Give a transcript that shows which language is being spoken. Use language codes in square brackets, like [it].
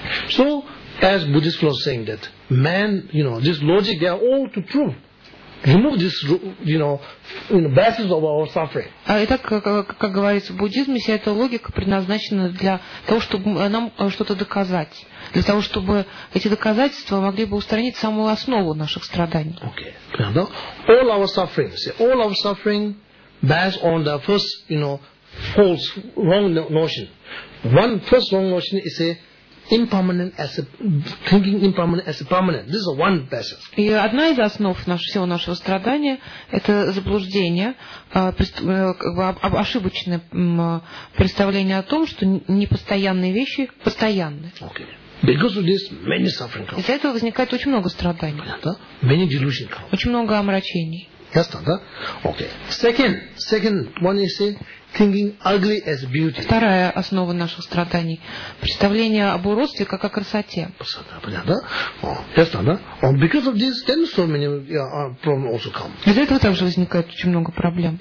[en] So, as Buddhist philosophy saying that man, you know, this logic, they are all to prove. Remove this, you know, basis of our suffering. [ru] Итак, как говорится в буддизме, вся эта логика предназначена для того, чтобы нам что-то доказать, для того, чтобы эти доказательства могли бы устранить самую основу наших страданий. [en] Okay. All our suffering, based on the first, you know, false wrong notion. One first wrong notion is a impermanent as a thinking impermanent as a permanent. This is one basis. [ru] И одна из основ всего нашего страдания это заблуждение, ошибочное представление о том, что непостоянные вещи постоянны. [en] Okay. Because of this, many suffering comes. [ru] Из-за этого возникает очень много страданий. Понятно? [en] Many delusions come. [ru] Очень много омрачений. Ясно, да? [en] Okay. Second one is thinking ugly as beauty. [ru] Вторая основа наших страданий. Представление об уродстве как о красоте. Понятно, да? [en] Because of this, then so many problems also come. [ru] Из-за этого также возникает очень много проблем.